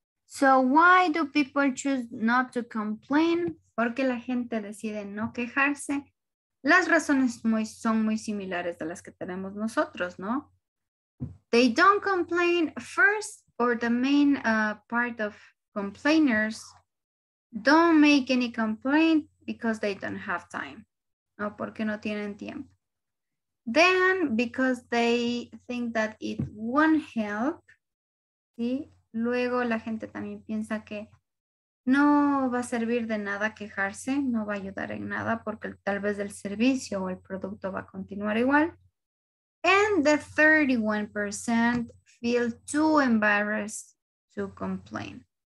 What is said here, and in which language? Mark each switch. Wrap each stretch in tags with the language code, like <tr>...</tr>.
<en>So why do people choose not to complain?</en> <es>¿Por qué la gente decide no quejarse? Las razones son muy similares a las que tenemos nosotros, ¿no?</es> <en>They don't complain first, or the main part of complainers don't make any complaint because they don't have time.</en> <es>¿No? Porque no tienen tiempo.</es> <en>Then, because they think that it won't help.</en> <es>¿Sí? Luego la gente también piensa que no va a servir de nada quejarse, no va a ayudar en nada porque tal vez el servicio o el producto va a continuar igual.</es> <en>And the 31% feel too embarrassed to complain.</en>